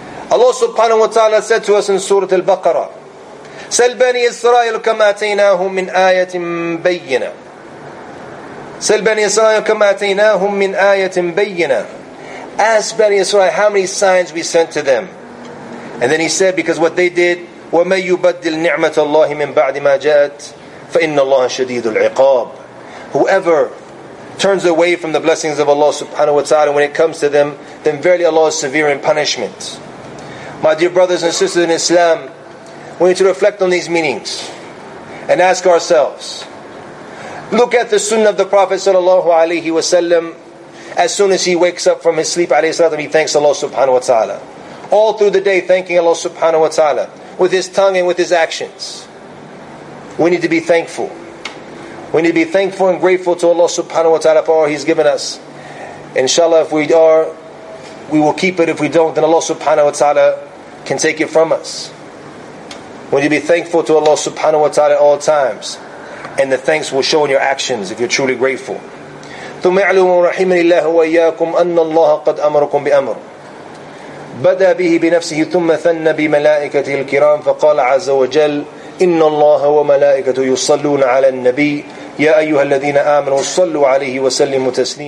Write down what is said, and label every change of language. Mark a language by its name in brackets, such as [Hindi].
[English] Allah subhanahu wa ta'ala said to us in Surah Al-Baqarah, [Arabic] سَلْ بَنِي إِسْرَائِلُ كَمْ أَتَيْنَاهُمْ مِنْ آيَةٍ بَيِّنَةٍ. سَلْ بَنِي إِسْرَائِلَ كَمْ أَتَيْنَاهُمْ مِنْ آيَةٍ بَيِّنَةٍ. [English] Ask Bani Israel how many signs we sent to them. And then he said, because what they did, [Arabic] وَمَنْ يُبَدِّلْ نِعْمَةَ اللَّهِ مِنْ بَعْدِ مَا جَاءَتْ فَإِنَّ اللَّهَ شَدِيدُ الْعِقَابِ. [English] Whoever turns away from the blessings of Allah subhanahu wa ta'ala when it comes to them, then verily Allah is severe in punishment. My dear brothers and sisters in Islam, we need to reflect on these meanings and ask ourselves, look at the sunnah of the Prophet sallallahu alaihi wasallam. As soon as he wakes up from his sleep, alayhi salatu, he thanks Allah subhanahu wa ta'ala. All through the day, thanking Allah subhanahu wa ta'ala with his tongue and with his actions. We need to be thankful. We need to be thankful and grateful to Allah subhanahu wa ta'ala for all He's given us. Inshallah, if we are, we will keep it. If we don't, then Allah subhanahu wa ta'ala can take it from us. We need to be thankful to Allah subhanahu wa ta'ala at all times. And the thanks will show in your actions if you're truly grateful. [Arabic] ثم يعلم رحيم الله وإياكم أن الله قد أمركم بأمر بدأ به بنفسه ثم ثنى بملائكة الكرام فقال عز وجل إن الله وملائكته يصلون على النبي يا أيها الذين آمنوا صلوا عليه وسلموا تسليما.